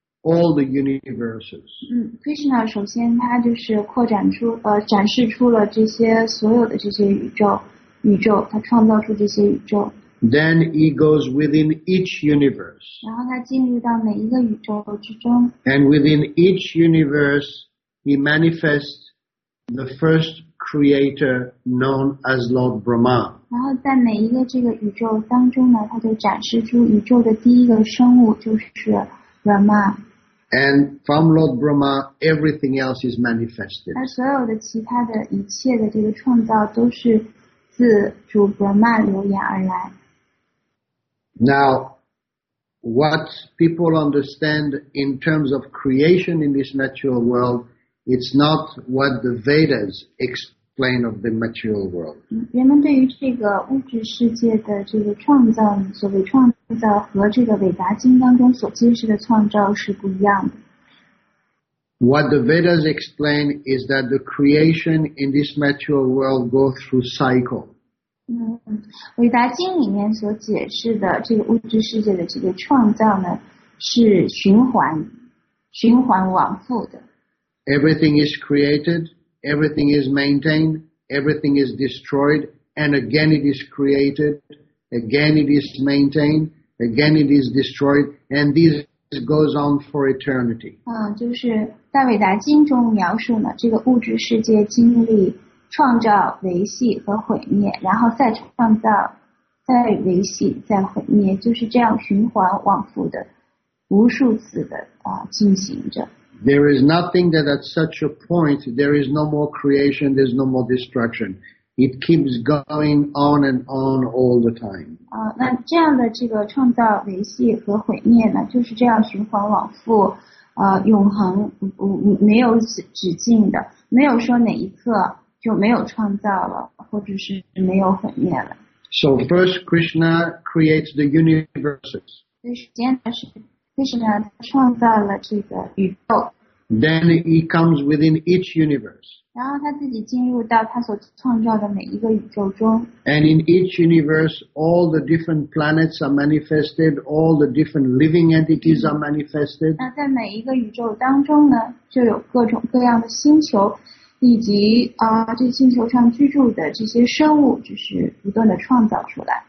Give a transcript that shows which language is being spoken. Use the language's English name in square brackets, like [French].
[English] All the universes. [Chinese] Krishna 首先他就是扩展出展示出了这些所有的这些宇宙，他创造出这些宇宙。 [English] Then he goes within each universe. [Chinese] 然后他进入到每一个宇宙之中。 [English] And within each universe, he manifests the first creator known as Lord Brahma. [Chinese] 然后在每一个这个宇宙当中呢，他就展示出宇宙的第一个生物就是 Brahma。 [English] And from Lord Brahma, everything else is manifested. [Chinese] 而所有的其他的一切的这个创造都是自主 Brahma 流言而来。 [English] Now, what people understand in terms of creation in this natural world, it's not what the Vedas explain of the material world. [Chinese] 人们对于这个物质世界的这个创造，所谓创造。和这个韦达经当中所揭示的创造是不一样的。 [English] What the Vedas explain is that the creation in this material world goes through cycle. [Chinese] 韦达经里面所解释的这个物质世界的这个创造呢，是循环往复的。 [English] Everything is created, everything is maintained, everything is destroyed, and again it is created, again it is maintained. Again, it is destroyed, and this goes on for eternity. [Chinese] 就是大伟达经中描述呢，这个物质世界经历创造、维系和毁灭，然后再创造、再维系、再毁灭，就是这样循环往复的，无数次的进行着。 [English] There is nothing that at such a point, there is no more creation, there's no more destruction. It keeps going on and on all the time. [Chinese] 那这样的这个创造、维系和毁灭呢，就是这样循环往复，永恒，没有止境的，没有说哪一刻就没有创造了，或者是没有毁灭了。 [English] So first Krishna creates the universes. [Chinese] 所以首先他是Krishna创造了这个宇宙。 [English] Then he comes within each universe. [Chinese] 然后他自己进入到他所创造的每一个宇宙中。 [English] And in each universe, all the different planets are manifested, all the different living entities are manifested. [Chinese] 那在每一个宇宙当中呢，就有各种各样的星球，以及这星球上居住的这些生物，就是不断的创造出来。